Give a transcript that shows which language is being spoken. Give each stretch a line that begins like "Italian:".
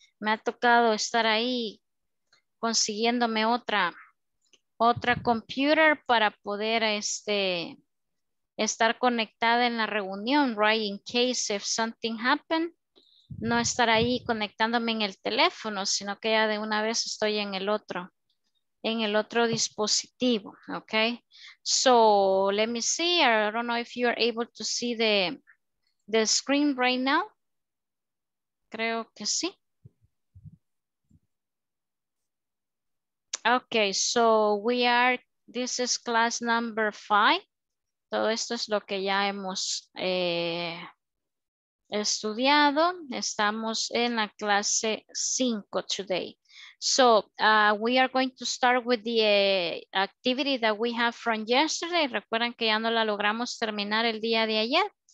Spanish: Me ha tocado estar ahí consiguiéndome otra computer para poder estar conectada en la reunión, right?
English: In case if something happened.
Spanish: No estar ahí conectándome en el teléfono, sino que ya de una vez estoy en el otro dispositivo, okay?
English: So let me see. I don't know if you are able to see the screen right now.
Spanish: Creo que sí.
English: Okay, so we are, this is class number 5.
Spanish: Todo esto es lo que ya hemos estudiado. Estamos en la clase 5 today.
English: So we are going to start with the activity that we have from yesterday.
Spanish: Recuerden que ya no la logramos terminar el día de ayer.